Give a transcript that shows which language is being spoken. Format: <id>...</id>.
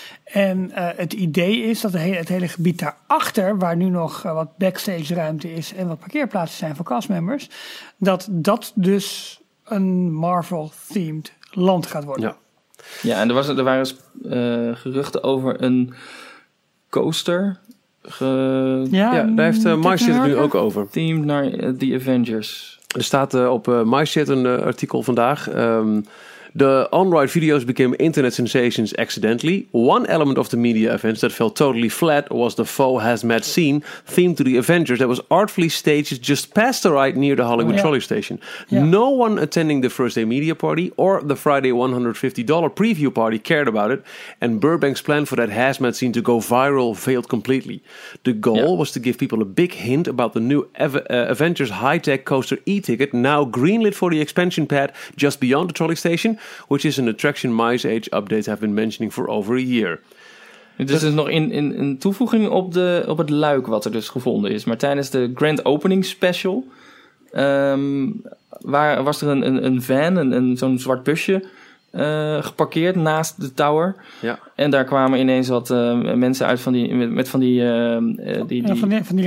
<nl>En het idee is dat het hele gebied daarachter, waar nu nog wat backstage ruimte is en wat parkeerplaatsen zijn voor castmembers, dat dus een Marvel-themed land gaat worden. Ja, ja, en er waren geruchten over een coaster. Daar heeft MyShit het nu ook over. Themed naar The Avengers. Er staat op MyShit een artikel vandaag.</nl> <en>The on-ride videos became internet sensations accidentally. One element of the media events that fell totally flat was the faux hazmat scene themed to the Avengers that was artfully staged just past the ride near the Hollywood trolley station. Yeah. No one attending the first day media party or the Friday $150 preview party cared about it, and Burbank's plan for that hazmat scene to go viral failed completely. The goal was to give people a big hint about the new Avengers high-tech coaster e-ticket, now greenlit for the expansion pad just beyond the trolley station, which is an attraction Mice Age updates have been mentioning for over a year.</en> <nl>Dus het is nog in toevoeging op het luik wat er dus gevonden is. Maar tijdens de Grand Opening Special was er een van, zo'n zwart busje, geparkeerd naast de tower. Ja. En daar kwamen ineens wat mensen uit van die</nl>